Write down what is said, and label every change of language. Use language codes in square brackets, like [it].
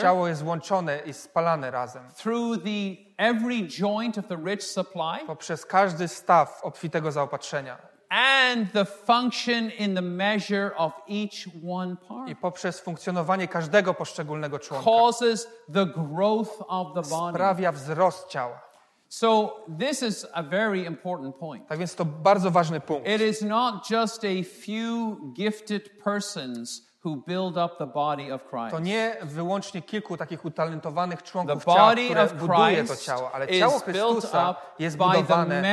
[pl] Ciało jest łączone i spalane razem. [en] Through the every joint of the rich supply. [pl] Poprzez każdy staw obfitego zaopatrzenia. [en] And the function in the measure of each one part. [pl] I poprzez funkcjonowanie każdego poszczególnego członka. [en] Causes the growth of the body. [pl] Sprawia wzrost ciała. [en] So this is a very important point. [pl] Tak więc to bardzo ważny punkt. [en] It is not just a few gifted persons who build up the body of Christ. [pl] To nie wyłącznie kilku takich utalentowanych członków ciała, które buduje to ciało, ale ciało Chrystusa jest budowane